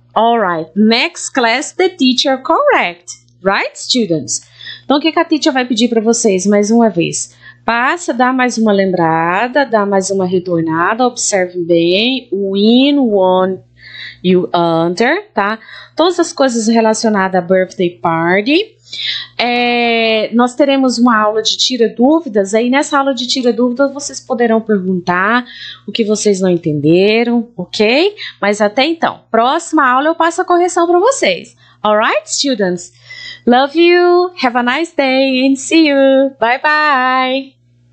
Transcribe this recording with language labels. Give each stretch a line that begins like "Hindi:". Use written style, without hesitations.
English: All right, next class the teacher correct, right, students?
Portuguese: Então, o que a teacher vai pedir para vocês mais uma vez? Passa, dá mais uma lembrada, dá mais uma retornada, observe bem, win, won, you under, tá? Todas as coisas relacionadas à birthday party. É, nós teremos uma aula de tira dúvidas, aí nessa aula de tira dúvidas vocês poderão perguntar o que vocês não entenderam, ok? Mas até então, próxima aula eu passo a correção para vocês.
English: Alright, students? Love you, have a nice day, and see you. Bye-bye.